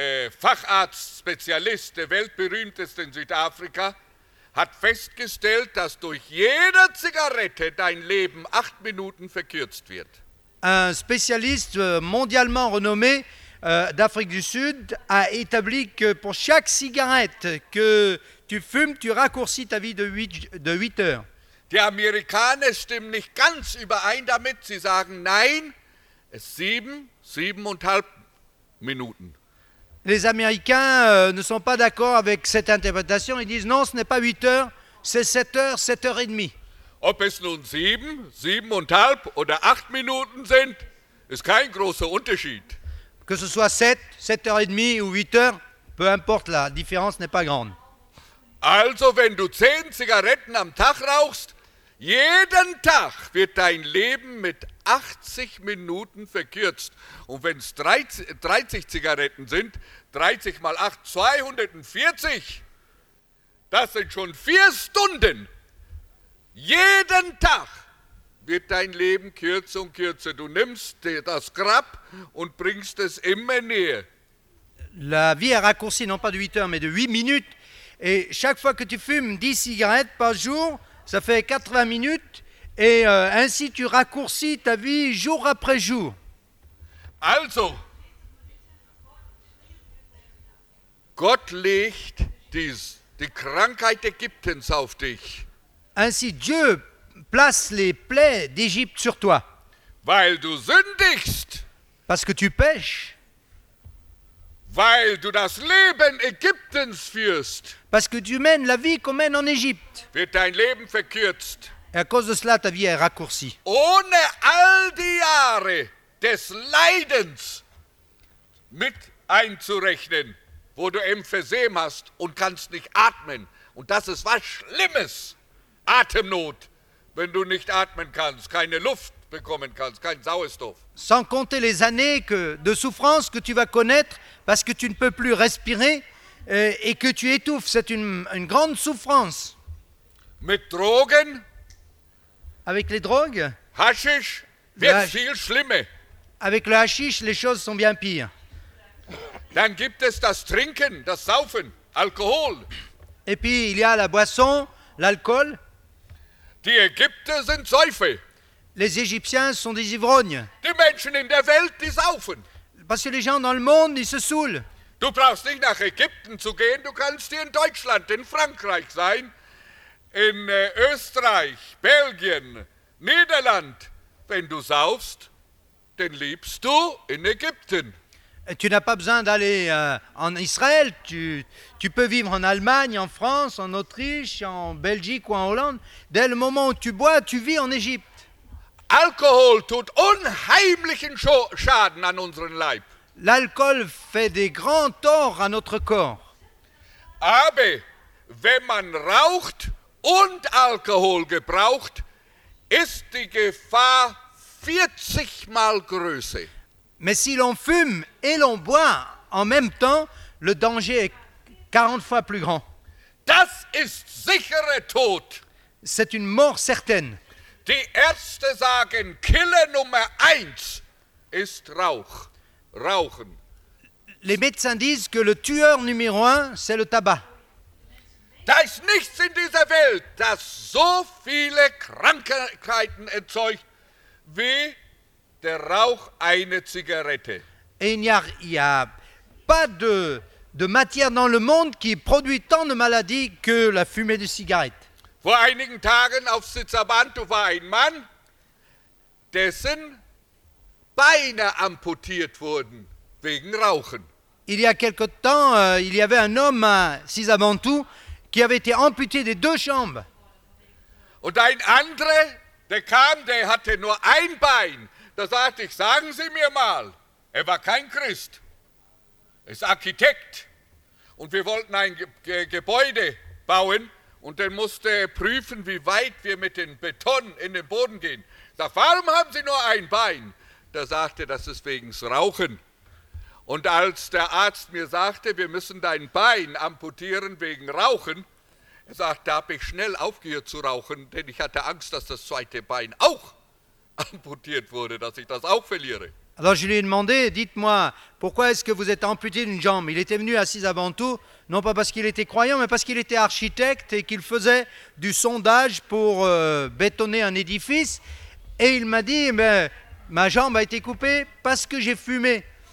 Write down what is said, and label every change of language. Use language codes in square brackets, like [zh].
[de] Facharzt Spezialist der weltberühmtesten Südafrika hat festgestellt, dass durch jede Zigarette dein Leben 8 Minuten verkürzt wird. [fr] Un spécialiste mondialement renommé d'Afrique du Sud a établi que pour chaque cigarette que tu fumes, tu raccourcis ta vie de 8 heures. [de] Die Amerikaner stimmen nicht ganz überein damit, sie sagen nein, es 7,5 Minuten. [fr] Les Américains ne sont pas d'accord avec cette interprétation. Ils disent non, ce n'est pas 8 heures, c'est 7 heures, 7 heures et demie. [de] Ob es nun 7,5 oder 8 Minuten sind, ist kein großer Unterschied. [fr] Que ce soit 7 heures et demie ou 8 heures, peu importe, la différence n'est pas grande. [de] Also, wenn du 10 Zigaretten am Tag rauchst, jeden Tag wird dein Leben mit 80 Minuten verkürzt. Und wenn es 30 Zigaretten sind, 30 mal 8, 240, das sind schon 4 Stunden. Jeden Tag wird dein Leben kürzer und kürzer. Du nimmst dir das Grab und bringst es immer näher. [fr] La vie est raccourcie, non pas de 8 heures, mais de 8 minutes. Et chaque fois que tu fumes 10 cigarettes par jour, ça fait 80 minutes. Et ainsi, tu raccourcis ta vie jour après jour. [de] Also, Gott legt die Krankheit Ägyptens auf dich. [fr] Ainsi, Dieu place les plaies d'Égypte sur toi. [de] Weil du sündigst. [fr] Parce que tu pèches. [de] Weil du das Leben Ägyptens führst. [fr] Parce que tu mènes la vie qu'on mène en Égypte. [de] Wird dein Leben verkürzt. [fr] Et à cause de cela, ta vie est raccourcie. [de] Ohne all die Jahre des Leidens mit einzurechnen, wo du Emphysem hast und kannst nicht atmen. Und das ist was Schlimmes. Atemnot, wenn du nicht atmen kannst, keine Luft bekommen kannst, kein Sauerstoff. [fr] Sans compter les années de souffrance que tu vas connaître parce que tu ne peux plus respirer et que tu étouffes. C'est une grande souffrance. [de] Mit Drogen. [fr] Avec les drogues. [de] Haschisch wird viel schlimmer. [fr] Avec le haschisch, les choses sont bien pires. [de] Dann gibt es das Trinken, das Saufen, Alkohol. [fr] Et puis il y a la boisson, l'alcool. [de] Die Ägypter sind Säufer. [fr] Les Égyptiens sont des ivrognes. [de] Die Menschen in der Welt, die saufen. [fr] Parce que les gens dans le monde, ils se saoulent. [de] Du brauchst nicht nach Ägypten zu gehen, du kannst hier in Deutschland, in Frankreich sein, in Österreich, Belgien, Niederland. Wenn du saufst, dann lebst du in Ägypten. [fr] Et tu n'as pas besoin d'aller en Israël, tu peux vivre en Allemagne, en France, en Autriche, en Belgique ou en Hollande. Dès le moment où tu bois, tu vis en Égypte. [de] Alkohol tut unheimlichen Schaden an unseren Leib. [fr] L'alcool fait des grands torts à notre corps. [de] Aber wenn man raucht und Alkohol gebraucht, ist die Gefahr 40 mal größer. [fr] Mais si l'on fume et l'on boit en même temps, le danger est 40 fois plus grand. [de] Das ist sicherer Tod. [fr] C'est une mort certaine. [de] Die Ärzte sagen, Killer Nummer 1 ist Rauch. Rauchen. [fr] Les médecins disent que le tueur numéro 1, c'est le tabac. [de] Da ist nichts in dieser Welt, das so viele Krankheiten erzeugt, wie der Rauch einer Zigarette. [fr] Et il n'y a pas de matière dans le monde qui produit tant de maladies que la fumée de cigarette. [de] Vor einigen Tagen auf Sitzabantu war ein Mann, dessen Beine amputiert wurden wegen Rauchen. [fr] Il y a quelque temps, il y avait un homme à Sitzabantu qui avait été amputé des deux jambes. [de] Und ein anderer, der kam, der hatte nur ein Bein. Da sagte ich, sagen Sie mir mal, er war kein Christ, er ist Architekt. Und wir wollten ein Gebäude bauen und dann musste er prüfen, wie weit wir mit dem Beton in den Boden gehen. Sag, warum haben Sie nur ein Bein? Da sagte, das ist wegen Rauchen. Und als der Arzt mir sagte, wir müssen dein Bein amputieren wegen Rauchen, er sagte, da habe ich schnell aufgehört zu rauchen, denn ich hatte Angst, dass das zweite Bein auch amputiert wurde, dass ich das auch verliere. [fr] Alors je lui ai demandé, dites-moi, pourquoi est-ce que vous êtes amputé d'une jambe? Il était venu à Sitzabantu, non pas parce qu'il était croyant, mais parce qu'il était architecte et qu'il faisait du sondage pour bétonner un édifice. Et il m'a dit, mais ma jambe a été coupée parce que j'ai fumé.